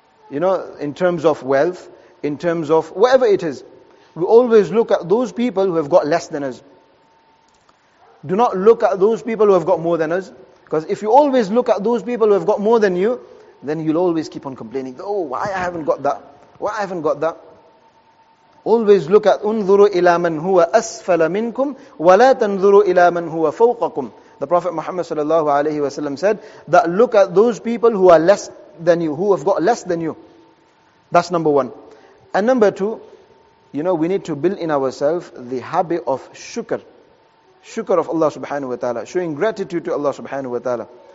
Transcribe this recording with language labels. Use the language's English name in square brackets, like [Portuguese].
[English] You know, in terms of wealth, in terms of whatever it is, we always look at those people who have got less than us. Do not look at those people who have got more than us. Because if you always look at those people who have got more than you, then you'll always keep on complaining. Oh, why I haven't got that? Why I haven't got that? Always look at, [Arabic] أُنظُرُوا إِلَى مَنْ هُوَ أَسْفَلَ مِنْكُمْ وَلَا تَنْظُرُوا إِلَى مَنْ هُوَ فَوْقَكُمْ. [English] The Prophet Muhammad sallallahu alayhi wa sallam said that look at those people who are less than you, who have got less than you. That's number one. And number two, you know, we need to build in ourselves the habit of shukr. Shukr of Allah subhanahu wa ta'ala. Showing gratitude to Allah subhanahu wa ta'ala.